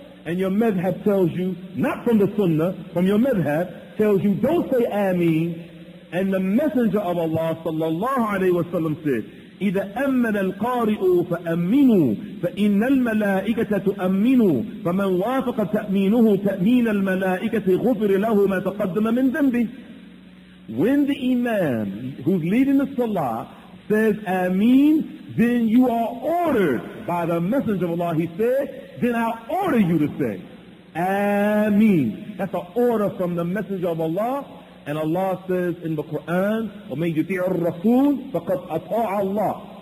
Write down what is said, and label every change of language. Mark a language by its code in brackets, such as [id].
[en] And your madhab tells you, not from the sunnah, from your madhab, tells you, don't say ameen. [ar] And the Messenger of Allah sallallahu alayhi wa sallam said, إِذَا أَمَّنَ الْقَارِئُ فَأَمِّنُوا فَإِنَّ الْمَلَائِكَةَ تُؤَمِّنُوا فَمَنْ وَافَقَ تَأْمِينُهُ تَأْمِينَ الْمَلَائِكَةِ غُفِرِ لَهُ مَا تَقَدَّمَ مِنْ ذَنْبِهِ. [en] When the imam who's leading the salah says ameen, then you are ordered by the Messenger of Allah, he said, then I order you to say ameen. That's an order from the Messenger of Allah. And Allah says in the Quran, [ar] وَمَنْ يُطِعُ الرَّسُولَ فَقَدْ أَطَاعَ اللَّهِ.